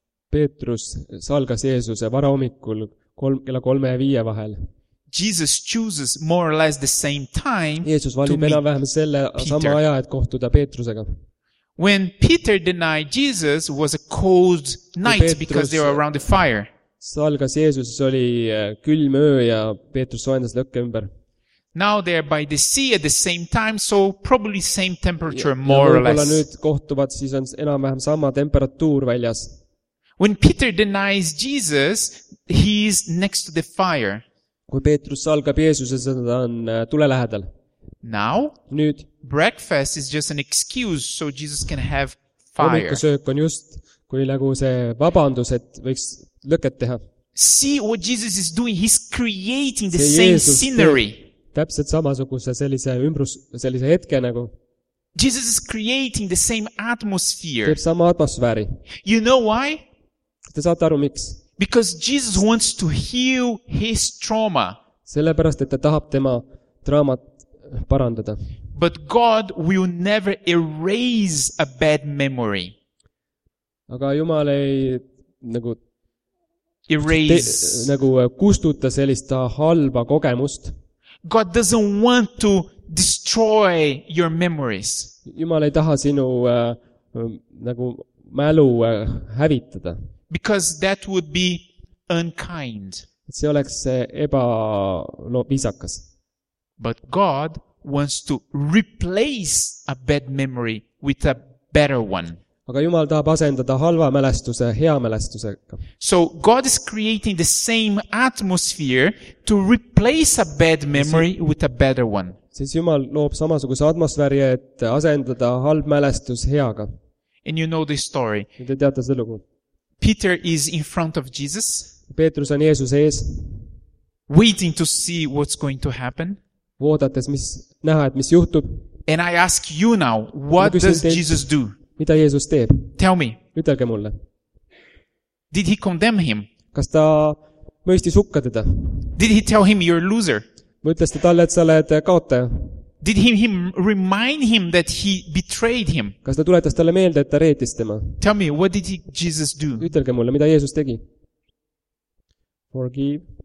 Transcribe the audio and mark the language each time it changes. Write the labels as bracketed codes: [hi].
[et] Peetrus salgas Jeesuse varahommikul kella 3 ja 5 vahel. [en] Jesus chooses more or less the same time. [et] Jeesus valib enam-vähem selle sama aja, et kohtuda Peetrusega. [en] When Peter denied Jesus was a cold night because they were around the fire. [et] Salgas Jeesus oli külm öö ja Peetrus soojendas lõkke ümber. [en] Now they are by the sea at the same time, so probably same temperature more or less. [et] Nüüd kohtuvad, siis on enam-vähem sama temperatuur väljas. [en] When Peter denies Jesus, he is next to the fire. [et] Kui Peetrus salgab Jeesuse, siis ta on tule lähedal. [en] Now, [et] nüüd, [en] breakfast is just an excuse so Jesus can have fire. [et] Hommikusöök on just kui nagu see vabandus, et võiks lõket teha. [en] See what Jesus is doing, he's creating the same scenery. [et] Täpselt samasuguse sellise ümbrus, sellise hetke nagu. [en] Jesus is creating the same atmosphere. [et] Teeb sama atmosfääri. [en] You know why? [et] Te saate aru, miks? [en] Because Jesus wants to heal his trauma. [et] Sellepärast, et ta tahab tema traumat parandada. [en] But God will never erase a bad memory. [et] Aga Jumal ei nagu, [en] erase. [et] Nagu kustuta sellist halba kogemust. [en] God doesn't want to destroy your memories. [et] Jumal ei taha sinu nagu mälu hävitada. [en] Because that would be unkind. [et] See oleks ebaviisakas. [en] But God wants to replace a bad memory with a better one. [et] Aga Jumal tahab asendada halva mälestuse hea mälestusega. [en] So God is creating the same atmosphere to replace a bad memory with a better one. [et] Siis Jumal loob samasuguse atmosfääri, et asendada halb mälestus heaga. [en] And you know this story. [et] Ja te teate see lugu. [en] Peter is in front of Jesus. [et] Peetrus on Jeesus ees. [en] Waiting to see what's going to happen. [et] Oodates, mis näha, et mis juhtub. [en] And I ask you now, what does Jesus do? [et] Mida Jeesus teeb? [en] Tell me. [et] Ütelge mulle. [en] Did he condemn him? [et] Kas ta mõistis hukka teda? [en] Did he tell him you're a loser? [et] Mõtles ta talle, et sa oled kaotaja. [en] Did he remind him that he betrayed him? [et] Kas ta tuletas talle meelde, et ta reetis tema? [en] Tell me, what did Jesus do? [et] Ütelge mulle, mida Jeesus tegi? [en] Forgive.